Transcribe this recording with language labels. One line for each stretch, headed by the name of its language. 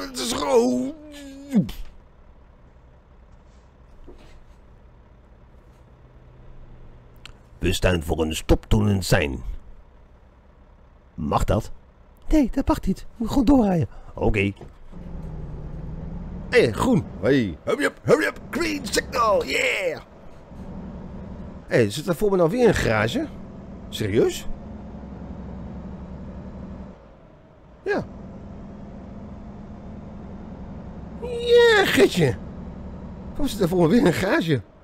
Dutch: Het is groot. We staan voor een stoptoelen zijn. Mag dat? Nee, dat mag niet. We moeten gewoon doorrijden. Oké. Hé, hey, groen. Hey.
English: Hurry up, green signal, yeah!
Dutch: Hé, hey, zit er voor me nou weer een garage? Serieus? Ja. Ja, yeah, Gertje. Waarom zit er voor me weer een garage?